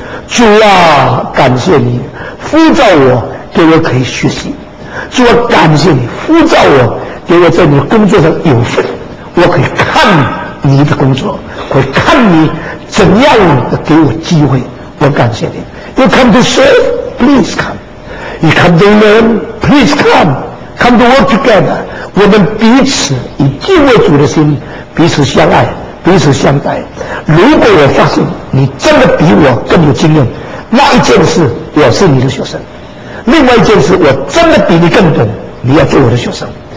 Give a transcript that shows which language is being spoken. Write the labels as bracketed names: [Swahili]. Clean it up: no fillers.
[Chinese] 主啊，感谢你呼召我，给我可以学习。主啊，感谢你呼召我，给我在你工作上有份，我可以看你的工作，我看你怎样的给我机会，我感谢你。 [English] You come to serve, please come. You come to learn, please come. Come to work together. [Chinese] 我们彼此以敬畏主的心彼此相爱，彼此相待。如果我发现你真的比我更有经验，那一件事我是你的学生，另外一件事我真的比你更懂，你要做我的学生。